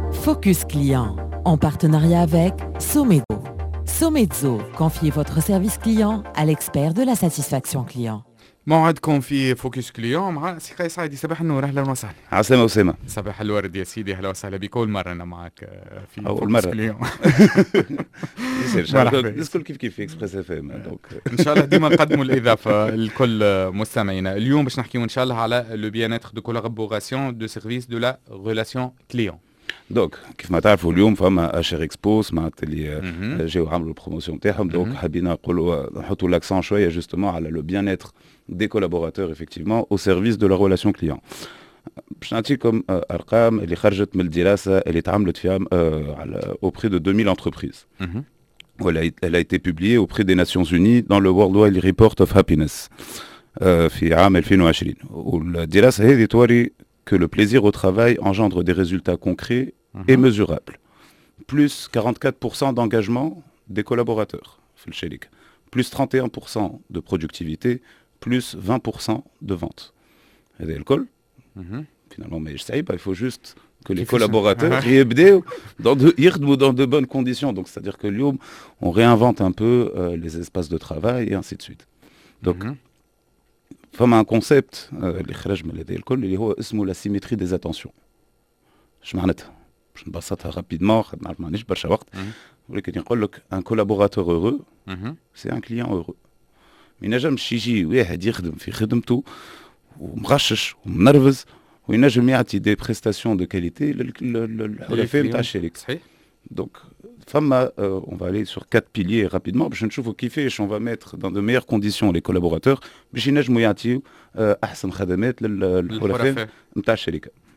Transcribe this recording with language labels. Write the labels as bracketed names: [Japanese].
[French] Focus Client, en partenariat avec Somedzo. Somedzo, confiez votre service client à l'expert de la satisfaction client. [Arabic] موعد كونفي فوكس كليون مع سي قيس سعيدي. صباح النور, اهلا وسهلا. عسلامة وسيمة. صباح الورد يا سيدي, اهلا وسهلا بك اول مرة انا معك في [French] فوكس كليون. [Arabic] نسكن كيف كيف في اكسبريس اف ام دونك ان شاء الله ديما نقدموا الاضافة لكل مستمعينا. اليوم باش نحكيوا ان شاء الله على لو بيانيتر دو كولابوراسيون دو سيرفيس دو لا ريلاسيون كليون. دونك كيف ما تعرفوا اليوم فما اشير اكسبوس معناتها اللي جاو عملوا البروموسيون تاعهم, دونك حبينا نقولوا نحطوا لاكسون شويه جوستومون على لو بيانيتر [French] des collaborateurs effectivement au service de la relation client. [Arabic] باش نعطيكم comme ارقام اللي خرجت من الدراسه اللي تعملت فيها [French] auprès de 2000 entreprises. Voilà, elle a été publiée auprès des Nations Unies dans le World Wide Report of Happiness [Arabic] في عام 2020. والدراسه هذه توري [French] que le plaisir au travail engendre des résultats concrets et mesurables. Plus 44% d'engagement des collaborateurs, [Arabic] في الشركة. [French] Plus 31% de productivité, plus 20% de vente. Et l'alcool, finalement, mais je sais pas, il faut juste que les collaborateurs y aient dans de bonnes conditions. Donc, c'est-à-dire que l'IOM, on réinvente un peu les espaces de travail et ainsi de suite. [Arabic] Donc, فما ان كونسيبت اللي خرج من هذا الكل اللي هو اسمه لا سيميتري دي زاتونسيون. اش معناتها؟ باش نبسطها رابيدمون خاطر نعرف مانيش برشا وقت, ولكن يقول لك ان كولابوراتور هورو سي ان كليون هورو. ما ينجمش يجي واحد يخدم في خدمته ومغشش ومنرفز وينجم يعطي دي بريستاسيون دو كاليتي للحلفاء نتاع الشركه. صحيح. دونك فما [French] on va aller sur quatre piliers rapidement [Arabic] باش نشوفو كيفاش [French] on va mettre dans de meilleures conditions les collaborateurs [Arabic] باش ينجمو يعطيو احسن خدمات للحرفاء نتاع الشركه.